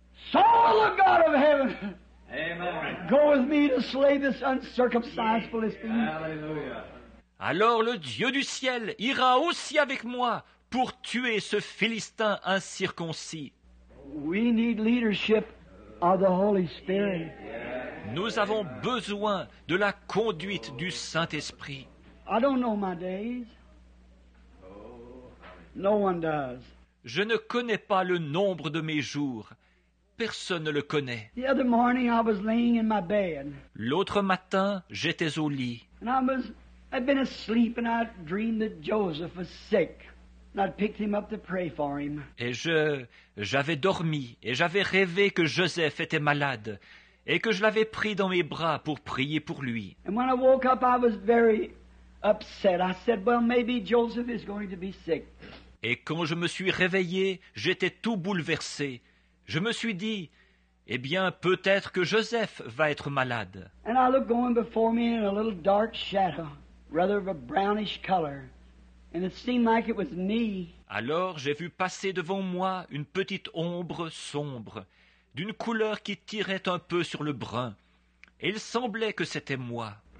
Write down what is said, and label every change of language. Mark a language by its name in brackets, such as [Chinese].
[English] Saul, the God of heaven, amen. Go with me to slay this uncircumcised Philistine. [French] Alors le Dieu du ciel ira aussi avec moi pour tuer ce Philistin incirconcis. [English] We need leadership of the Holy Spirit. Yeah. [French] Nous avons besoin de la conduite du Saint-Esprit. [English] I don't know my days. No one does. [French] Je ne connais pas le nombre de mes jours. Personne ne le connaît. [English] The other morning I was laying in my bed. [French] L'autre matin, j'étais au lit. [English] And I'd been asleep and I dreamed that Joseph was sick. And I'd picked him up to pray for him. [French] Et j'avais dormi et j'avais rêvé que Joseph était malade. Et que je l'avais pris dans mes bras pour prier pour lui. [English] And when I woke up, I was very upset. I said, well, maybe Joseph is going to be sick. [French] Et quand je me suis réveillé, j'étais tout bouleversé. Je me suis dit, eh bien, peut-être que Joseph va être malade. [English] And I looked going before me in a little dark shadow, rather of a brownish color. And it seemed like it was me. [French] Alors j'ai vu passer devant moi une petite ombre sombre, d'une couleur qui tirait un peu sur le brun. Et il semblait que c'était moi.